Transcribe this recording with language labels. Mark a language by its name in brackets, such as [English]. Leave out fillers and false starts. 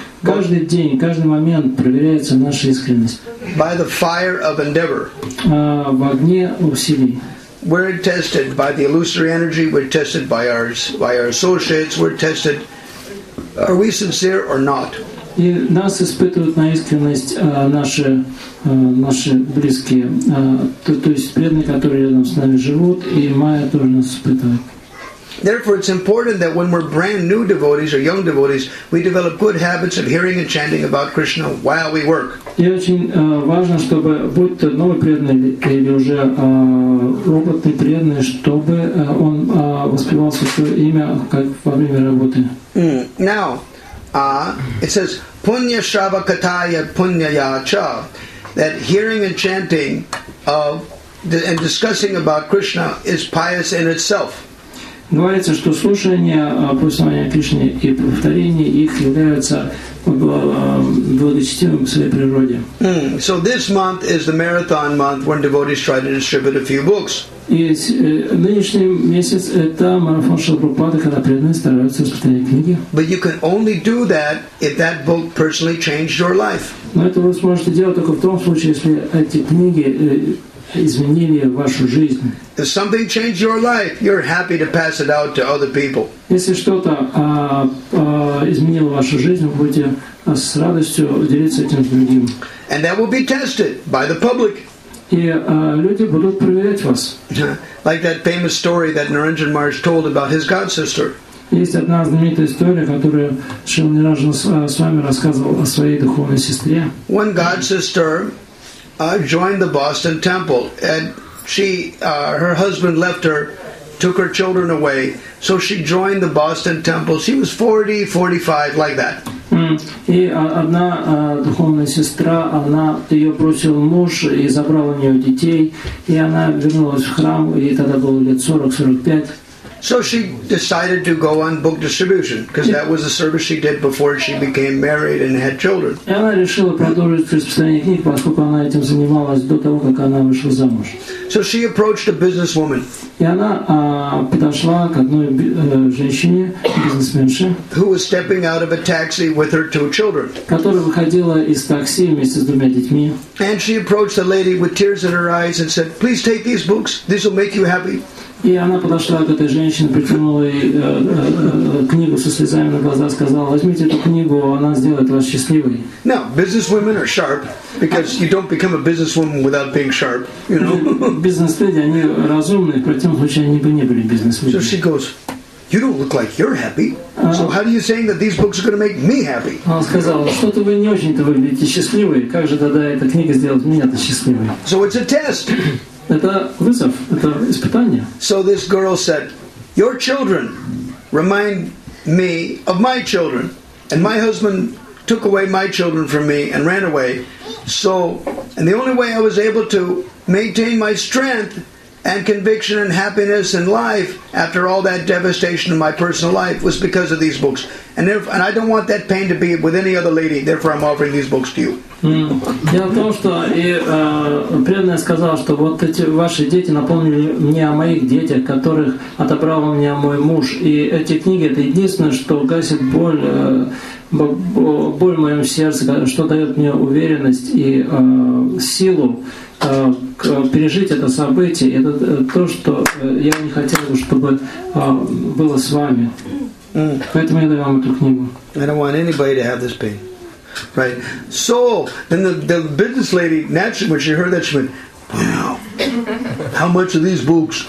[Russian] Каждый день, каждый момент проверяется наша искренность. [English] By the fire of endeavor. [Russian] В огне усилий. [English] We're tested by the illusory energy, we're tested by our associates, we're tested, are we sincere or not? [Russian] И нас испытывают на искренность наши близкие, то есть преданные, которые рядом с нами живут, и майя тоже нас испытывает. [English] Therefore, it's important that when we're brand new devotees or young devotees, we develop good habits of hearing and chanting about Krishna while we work. [Russian] И очень важно, чтобы будь то новый преданный или уже опытный преданный, чтобы он воспевал свое имя как во время работы. [English] Now, it says [Sanskrit] punya shava kataya punya ya cha, [English] that hearing and chanting of and discussing about Krishna is pious in itself. [Russian] Говорится, что слушание повествования о Кришне и повторение их являются благочестивым в своей природе. [English] So this month is the marathon month when devotees try to distribute a few books. [Russian] И нынешний месяц – это марафон Шрилы Прабхупады, когда преданные стараются распространять книги. [English] But you can only do that if that book personally changed your life. [Russian] Но это вы сможете делать только в том случае, если эти книги изменили вашу жизнь. [English] If something changed your life, you're happy to pass it out to other people. [Russian] Если что-то изменило вашу жизнь, вы будете с радостью делиться этим с другим. [English] And that will be tested by the public. [Russian] И люди будут проверять вас. [English] Like that famous story that Niranjan Maharaj told about his god sister. [Russian] Есть одна знаменитая история, которую Шрила Нираджан с вами рассказывал о своей духовной сестре. [English] One god sister joined the Boston Temple, and she, her husband left her, took her children away. So she joined the Boston Temple. She was 40, 45, like that. [Russian] И одна духовная сестра, она ее бросил муж и забрал у нее детей, и она вернулась в храм, ей тогда было лет 40, 45. [English] So she decided to go on book distribution, because that was the service she did before she became married and had children. So she approached a businesswoman who was stepping out of a taxi with her two children. And she approached a lady with tears in her eyes and said, "Please take these books, this will make you happy." [Russian] И она подошла к этой женщине, притянула ей книгу со слезами на глазах, сказала: «Возьмите эту книгу, она сделает вас счастливой». [English] Now, businesswomen are sharp, because you don't become a businesswoman without being sharp, you know. [Russian] Бизнес-леди, они разумные, в противном случае они бы не были бизнесменами. [English] So she goes, "You don't look like you're happy. So how are you saying that these books are going to make me happy?" [Russian] Она сказала: "Что-то вы не очень-то выглядите счастливой. Как же тогда эта книга сделает меня-то счастливой?" [English] So it's a test. [Russian] Это вызов, это испытание. [English] So this girl said, "Your children remind me of my children, and my husband took away my children from me and ran away. So, and the only way I was able to maintain my strength and conviction and happiness in life after all that devastation in my personal life was because of these books. And if, and I don't want that pain to be with any other lady, therefore I'm offering these books to you." [Russian] Дело в том, что и преданная сказала, что вот эти ваши дети напомнили мне о моих детях, которых отобрал у меня мой муж. И эти книги — это единственное, что гасит боль в моем сердце, что дает мне уверенность и силу пережить это событие. Это то, что я не хотел бы, чтобы было с вами. Поэтому я даю вам эту книгу. [English] I don't want anybody to have this pain. Right. So then the business lady, naturally, when she heard that, she went, "Wow, how much are these books?"